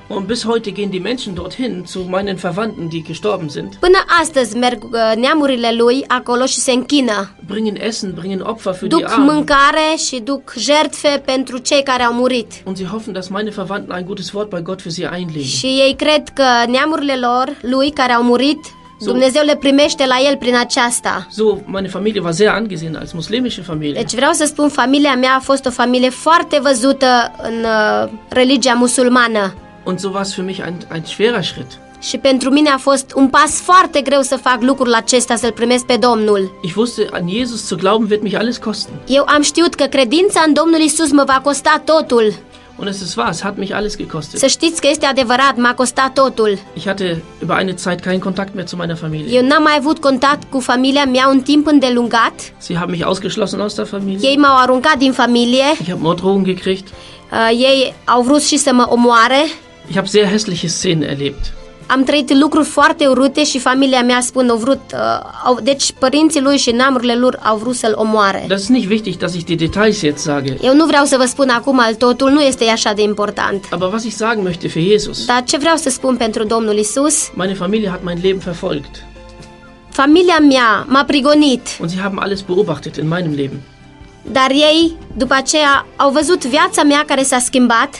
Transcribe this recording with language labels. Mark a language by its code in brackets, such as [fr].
[de] Und bis heute gehen die Menschen dorthin zu meinen Verwandten, die gestorben sind. [ro] Până astăzi merg neamurile lui acolo și se închină. [de] Bringen Essen, bringen Opfer für duc die armen. [ro] Mâncare și duc jertfe pentru cei care au murit. [de] Und sie hoffen, dass meine Verwandten ein gutes Wort bei Gott für sie einlegen. [ro] Și ei cred că neamurile lor, lui care au murit, Dumnezeu le primește la el prin aceasta. [de] So, meine Familie war sehr angesehen als muslimische Familie. [ro] Deci vreau să spun, familia mea a fost o familie foarte văzută în religia musulmană. [de] Und so war es für mich ein schwerer Schritt. [ro] Și pentru mine a fost un pas foarte greu să fac lucrul acesta, să-l primesc pe Domnul. [de] Ich wusste, an Jesus zu glauben wird mich alles kosten. [ro] Eu am știut că credința în Domnul Iisus mă va costa totul. [de] Und es ist wahr, es hat mich alles gekostet. [ro] Să știți că este adevărat, m-a costat totul. [de] Ich hatte über eine Zeit keinen Kontakt mehr zu meiner Familie. [ro] Eu n-am mai avut contact cu familia mea un timp îndelungat. [de] Sie haben mich ausgeschlossen aus der Familie. [ro] Ei m-au aruncat din familie. [de] Ich habe Morddrohungen gekriegt. [ro] Ei au vrut și să mă omoare. [de] Ich habe sehr hässliche Szenen erlebt. [ro] Am trăit lucruri foarte urâte și familia mea spune au vrut, deci părinții lui și neamurile lor au vrut să-l omoare. [de] Das ist nicht wichtig, dass ich die Details jetzt sage. [ro] Eu nu vreau să vă spun acum al totul, nu este așa de important. [de] Aber was ich sagen möchte für Jesus. [ro] Dar ce vreau să spun pentru Domnul Iisus? [de] Meine Familie hat mein Leben verfolgt. [ro] Familia mea m-a prigonit. [de] Und sie haben alles beobachtet in meinem Leben. [ro] Dar ei, după aceea, au văzut viața mea care s-a schimbat.